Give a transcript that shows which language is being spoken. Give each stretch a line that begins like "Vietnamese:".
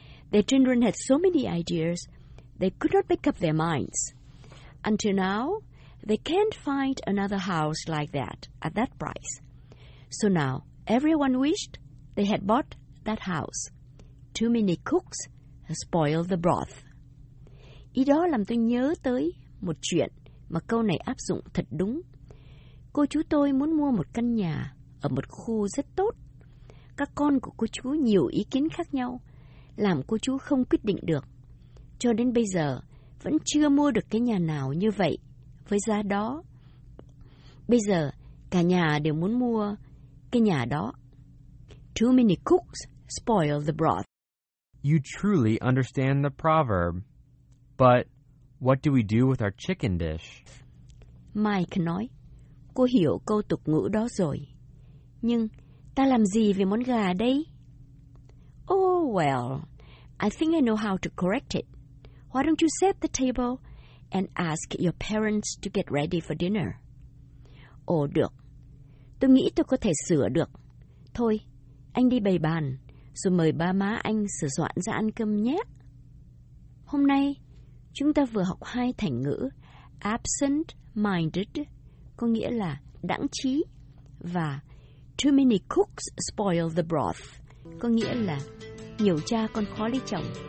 English: Their children had so many ideas, they could not make up their minds. Until now, they can't find another house like that at that price. So now, everyone wished they had bought that house. Too many cooks spoiled the broth.
Vietnamese: Ý đó làm tôi nhớ tới một chuyện mà câu này áp dụng thật đúng. Cô chú tôi muốn mua một căn nhà ở một khu rất tốt. Các con của cô chú nhiều ý kiến khác nhau, làm cô chú không quyết định được. Cho đến bây giờ, vẫn chưa mua được cái nhà nào như vậy với giá đó. Bây giờ, cả nhà đều muốn mua cái nhà đó.
English: Too many cooks spoil the broth. You truly understand the proverb. But what do we do with our chicken dish?
Vietnamese: Mike nói, cô hiểu câu tục ngữ đó rồi. Nhưng ta làm gì về món gà đây?
English: Oh, well, I think I know how to correct it. Why don't you set the table and ask your parents to get ready for dinner?
Vietnamese: Oh, được. Tôi nghĩ tôi có thể sửa được. Thôi, anh đi bày bàn, rồi mời ba má anh sửa soạn ra ăn cơm nhé. Hôm nay, Chúng ta vừa học hai thành ngữ absent-minded, có nghĩa là đãng trí, và
English: too many cooks spoil the broth,
Vietnamese: có nghĩa là nhiều cha con khó lấy chồng.